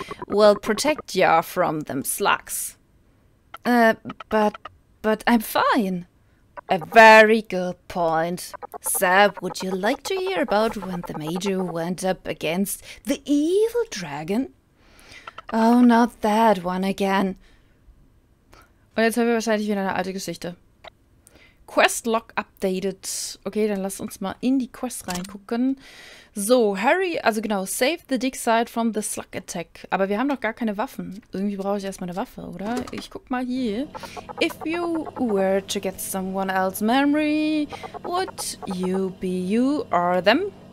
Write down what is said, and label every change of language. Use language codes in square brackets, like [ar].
[en] We'll protect ya from them slugs. But I'm fine. A very good point. Sab, would you like to hear about when the Major went up against the evil dragon? Oh, not that one again. [de] Und jetzt haben wir wahrscheinlich wieder eine alte Geschichte. [en] Questlog updated. [de] Okay, dann lass uns mal in die Quest reingucken. [en] So, Harry, [de] also genau, [en] save the dig site from the slug attack. [de] Aber wir haben noch gar keine Waffen. Irgendwie brauche ich erstmal eine Waffe, oder? Ich guck mal hier. [en] If you were to get someone else's memory, would you be you or them?